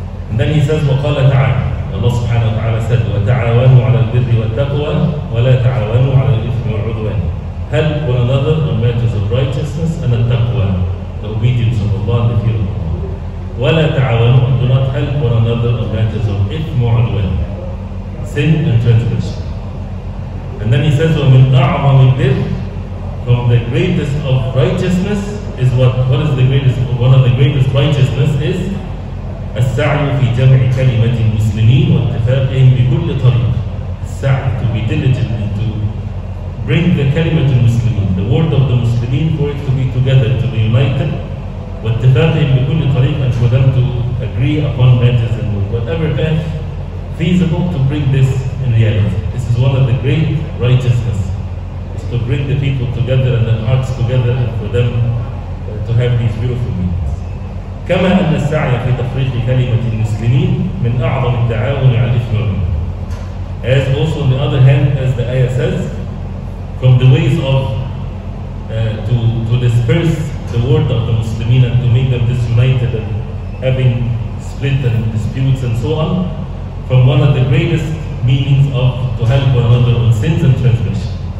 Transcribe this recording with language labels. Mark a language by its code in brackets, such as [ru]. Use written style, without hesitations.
[en] And then he says, [ar] وَقَالَ تَعَالَى, [en] Allah subhanahu wa ta'ala said, [ar] وَتَعَاوَنُوا عَلَى الْبِرِّ وَالتَّقْوَى وَلَا تَعَاوَنُوا عَلَى الْإِثْمِ وَالْعُدْوَانِ, [en] help one another on matters of righteousness and التَّقْوَى, the obedience of Allah and the fear of Allah. [ar] وَلَا تَعَاوَنُوا, [en] do not help one another on matters of [ar] إِثْمِ وَالْعُدْوَانِ, [en] sin and transgression. And then he says, [ar] وَمِنْ أَعْمَمِ الْبِرِّ, [en] from the greatest of righteousness is what? What is the greatest? One of the greatest righteousness is [ar] السعي في جمع كلمة المسلمين واتفاقهم بكل طريق. [en] السعي, to be diligent and to bring the [ar] كلمة المسلمين, [en] the word of the Muslimin, for it to be together, to be united, [ar] واتفاقهم بكل طريق, [en] and for them to agree upon matters and whatever path feasible to bring this in reality. This is one of the great righteousness, is to bring the people together and the hearts together and for them to have these beautiful meetings. [ar] كما أن السعي في تفريق كلمة المسلمين من أعظم التعاون على الإثم. [en] As also on the other hand, as the ayah says, from the ways of to disperse the word of the Muslimin and to make them disunited and having split and disputes and so on, from one of the greatest meanings of to help one another on sins and transgression.